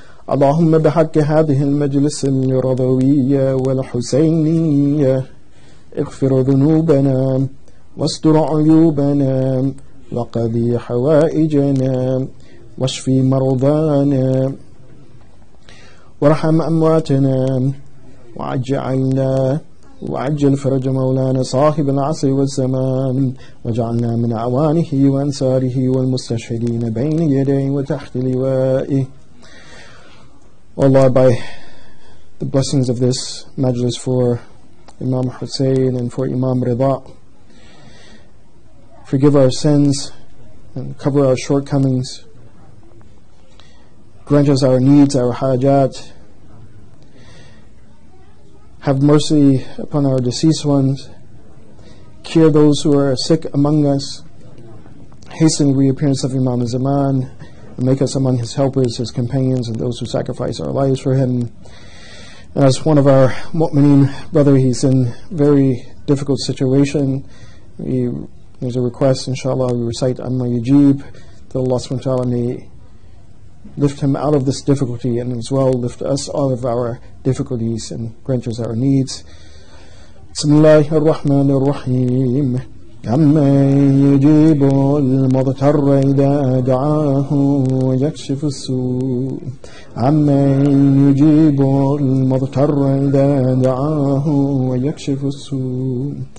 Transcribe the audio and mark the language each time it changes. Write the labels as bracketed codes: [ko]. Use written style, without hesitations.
[ar] اللهم بحق هذه المجلس الرضوية والحسينية اغفر ذنوبنا واستر عيوبنا وقضي حوائجنا واشف مرضانا وارحم أمواتنا واجعلنا وعجل فرج مولانا صاحب العصر والزمان وجعلنا من أعوانه وأنصاره والمستشهدين بين يديه وتحت لوائه. [en] Allah, by the blessings of this majlis for Imam Hussein and for Imam Ridha, forgive our sins and cover our shortcomings, grant us our needs, our hajat. Have mercy upon our deceased ones. Cure those who are sick among us. Hasten the reappearance of Imam Zaman. And make us among his helpers, his companions, and those who sacrifice our lives for him. And as one of our mu'mineen brother, he's in very difficult situation. There's a request, inshallah, we recite Amma Yajib, that Allah subhanahu wa ta'ala may lift him out of this difficulty, and as well lift us out of our difficulties and grant us our needs. [ar] بسم الله الرحمن الرحيم أمن يجيب المضطر إذا دعاه ويكشف السوء أمن يجيب المضطر إذا دعاه ويكشف السوء